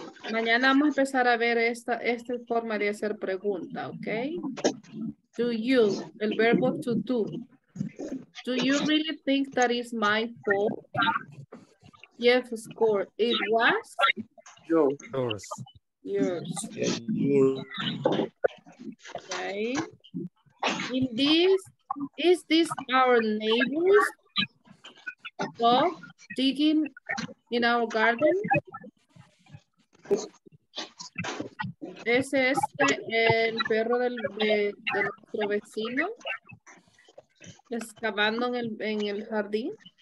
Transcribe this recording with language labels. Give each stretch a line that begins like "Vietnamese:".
Spanish: Mañana vamos a empezar a ver esta forma de hacer pregunta, okay?
English: Do you, el verbo to do. Do you really think that is my fault? Yes, score. It was? Yours. Yours. Yeah, yours. Okay. In this Is this our neighbor's dog digging in our garden?
Spanish: ¿Es este el perro del, de nuestro vecino excavando en el jardín?